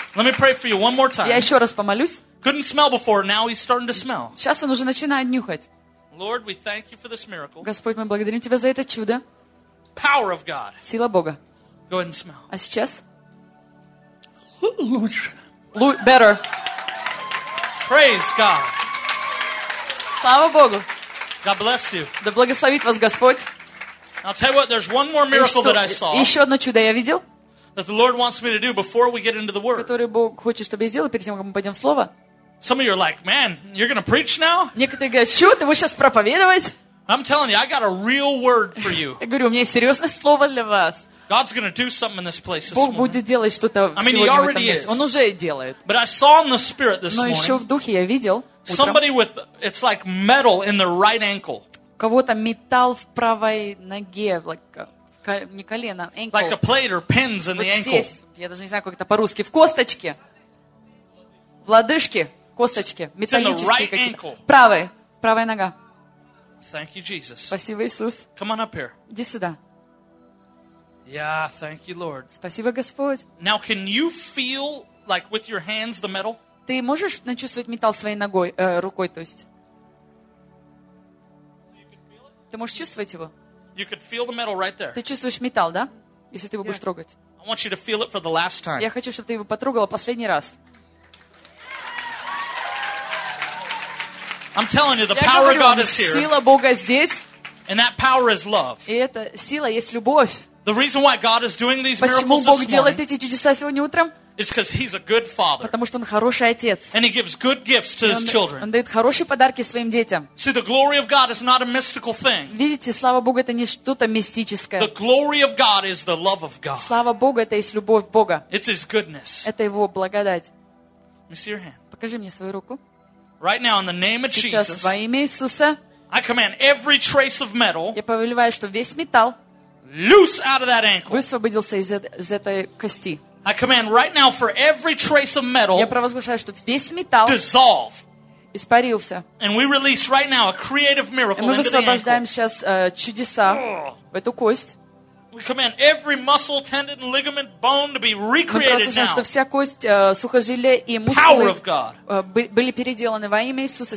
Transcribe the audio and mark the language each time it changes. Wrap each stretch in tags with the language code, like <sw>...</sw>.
<en>Let me pray for you one more time.</en> <ru>Я еще раз помолюсь.</ru> <en>Couldn't smell before, now he's starting to smell.</en> <ru>Сейчас он уже начинает нюхать.</ru> <en>Lord, we thank you for this miracle.</en> <ru>Господь, мы благодарим тебя за это чудо.</ru> <en>Power of God.</en> <ru>Сила Бога.</ru> <en>Go ahead and smell.</en> <ru>А сейчас? Лучше.</ru> <en>Better. Praise God.</en> <ru>Слава Богу.</ru> <en>God bless you.</en> <ru>Да благословит вас Господь.</ru> <en>I'll tell you what, there's one more miracle that I saw.</en> <ru>Еще одно чудо я видел.</ru> <en>That the Lord wants me to do before we get into the word.</en> <ru>Который Бог хочет, чтобы я сделал перед тем, как мы пойдем в слово.</ru> <en>Some of you are like, man, you're going to preach now?</en> <ru>Некоторые говорят, что ты будешь сейчас проповедовать?</ru> <en>I'm telling you, I got a real word for you.</en> <ru>Я говорю, у меня есть серьезное слово для вас.</ru> <en>God's going to do something in this place this morning.</en> <ru>Бог будет делать что-то сегодня.</ru> <en>I mean, he already is.</en> <ru>Он уже делает.</ru> <en>But I saw in the spirit this morning.</en> <ru>Но еще в духе я видел.</ru> <en>Somebody with, it's like metal in their right ankle.</en> <ru>Кого-то металл в правой ноге,</ru> <en>like,</en> <ru>не колено,</ru> <en>ankle. Like a plate or pins in</en> <ru>вот</ru> <en>the ankle.</en> <ru>Здесь, я даже не знаю, как это по-русски, в косточке. В лодыжке, косточке, металлические</ru> <en>right</en> <ru>какие-то.</ru> <en>Ankle.</en> <ru>Правая, правая нога.</ru> <en>Thank you, Jesus.</en> <ru>Спасибо, Иисус.</ru> <en>Come on up here.</en> <ru>Иди сюда.</ru> <en>Yeah, thank you, Lord.</en> <ru>Спасибо, Господь.</ru> <en>Now, can you feel, like, with your hands, the metal?</en> <ru>Ты можешь начувствовать металл своей ногой, рукой, то есть? Ты можешь чувствовать его?</ru> <en>You could feel the metal right there.</en> <ru>Ты чувствуешь металл, да? Если ты его будешь трогать.</ru> <en>I want you to feel it for the last time.</en> <ru>Я хочу, чтобы ты его потрогала последний раз.</ru> <en>I'm telling you, the power of God is here.</en> <ru>Сила Бога здесь.</ru> <en>And that power is love.</en> <ru>И эта сила есть любовь.</ru> <en>The reason why God is doing these miracles this morning.</en> <ru>Почему Бог делает эти чудеса сегодня утром?</ru> <en>Is because he's a good father.</en> <ru>Потому что он хороший отец.</ru> <en>And he gives good gifts to his children.</en> <ru>Он дает хорошие подарки своим детям.</ru> <en>See, the glory of God is not a mystical thing.</en> <ru>Видите, слава Богу это не что-то мистическое.</ru> <en>The glory of God is the love of God.</en> <ru>Слава Богу это есть любовь Бога.</ru> <en>It's his goodness.</en> <ru>Это его благодать.</ru> <en>Let me see your hand.</en> <ru>Покажи мне свою руку.</ru> <en>Right now, in the name of Jesus.</en> <ru>Сейчас во имя Иисуса.</ru> <en>I command every trace of metal.</en> <ru>Я повелеваю, что весь металл.</ru> <en>Loose out of that ankle.</en> <ru>Высвободился из этой кости.</ru> <en>I command right now for every trace of metal.</en> <ru>Я провозглашаю, что весь металл</ru> <en>dissolve.</en> <ru>Испарился.</ru> <en>And we release right now a creative miracle into the ankle.</en> <ru>Мы высвобождаем сейчас чудеса в эту кость.</ru> <en>We command every muscle, tendon, ligament, bone to be recreated now.</en> <ru>Мы провозглашаем, что вся кость, сухожилие и мышцы</ru> <en>Power of God.</en> <ru>Были переделаны во имя Иисуса.</ru>